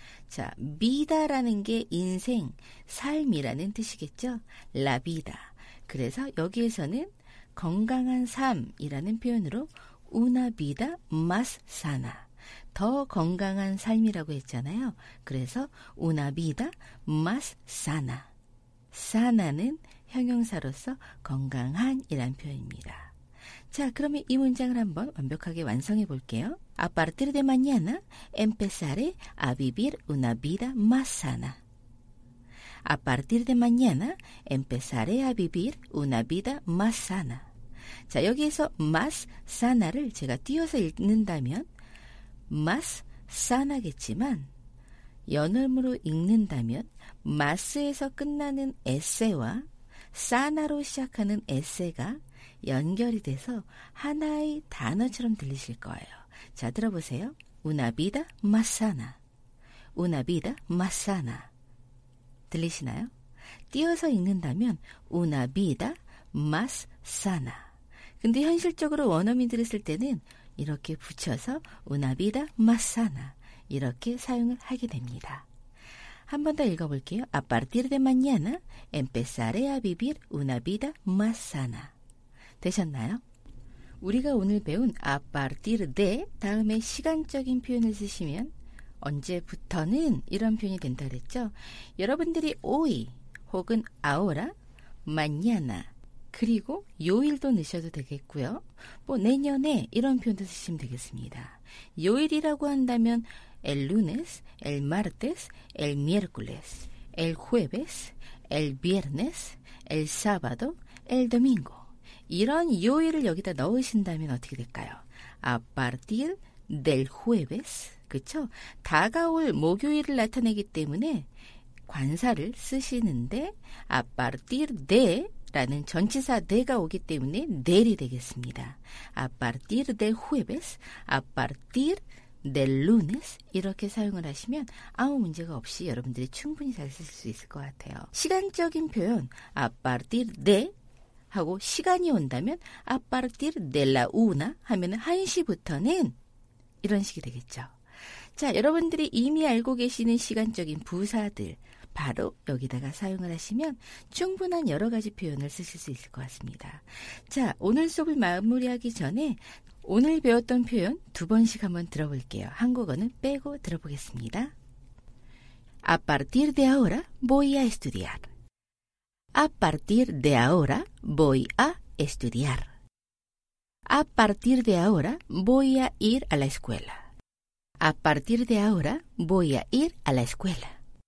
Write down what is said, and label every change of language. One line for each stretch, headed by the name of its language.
Korean: 자, vida라는 게 인생, 삶이라는 뜻이겠죠?
Spanish: la vida.
Korean: 그래서 여기에서는 건강한 삶이라는 표현으로
Spanish: una vida más sana.
Korean: 더 건강한 삶이라고 했잖아요. 그래서
Spanish: una vida más sana.
Korean: sana는 형용사로서 건강한이란 표현입니다. 자, 그러면 이 문장을 한번 완벽하게 완성해 볼게요.
Spanish: A partir de mañana empezaré a vivir una vida más sana. A partir de mañana empezaré a vivir una vida más sana.
Korean: 자, 여기에서
Spanish: más sana
Korean: 를 제가 띄워서 읽는다면 más sana겠지만 연음으로 읽는다면 más에서 끝나는 s와 sana로 시작하는 s가 연결이 돼서 하나의 단어처럼 들리실 거예요. 자, 들어보세요.
Spanish: Una vida más sana. Una vida más sana.
Korean: 들리시나요? 띄어서 읽는다면
Spanish: Una vida más sana.
Korean: 근데 현실적으로 원어민들이 쓸 때는 이렇게 붙여서
Spanish: Una vida más sana.
Korean: 이렇게 사용을 하게 됩니다. 한 번 더 읽어볼게요. A partir de mañana empezaré a vivir una vida más sana. 되셨나요? 우리가 오늘 배운 a partir de 다음에 시간적인 표현을 쓰시면 언제부터는 이런 표현이 된다 그랬죠? 여러분들이 hoy 혹은 ahora, mañana 그리고 요일도 넣으셔도 되겠고요. 뭐 내년에 이런 표현도 쓰시면 되겠습니다. 요일이라고 한다면
Spanish: el lunes, el martes, el miércoles, el jueves, el viernes, el sábado, el domingo.
Korean: 이런 요일을 여기다 넣으신다면 어떻게 될까요?
Spanish: A partir del jueves,
Korean: 그쵸? 다가올 목요일을 나타내기 때문에 관사를 쓰시는데
Spanish: A partir de
Korean: 라는 전치사 de가 오기 때문에 del이 되겠습니다.
Spanish: A partir del jueves, a partir del lunes
Korean: 이렇게 사용을 하시면 아무 문제가 없이 여러분들이 충분히 잘 쓸 수 있을 것 같아요. 시간적인 표현
Spanish: A partir de
Korean: 하고 시간이 온다면
Spanish: a partir de la una
Korean: 하면 1시부터는 이런 식이 되겠죠. 자, 여러분들이 이미 알고 계시는 시간적인 부사들 바로 여기다가 사용을 하시면 충분한 여러 가지 표현을 쓰실 수 있을 것 같습니다. 자, 오늘 수업을 마무리하기 전에 오늘 배웠던 표현 두 번씩 한번 들어볼게요. 한국어는 빼고 들어보겠습니다.
Spanish: A partir de ahora voy a estudiar. A partir de ahora voy a estudiar. A partir de ahora voy a ir a la escuela. A partir de ahora voy a ir a la escuela.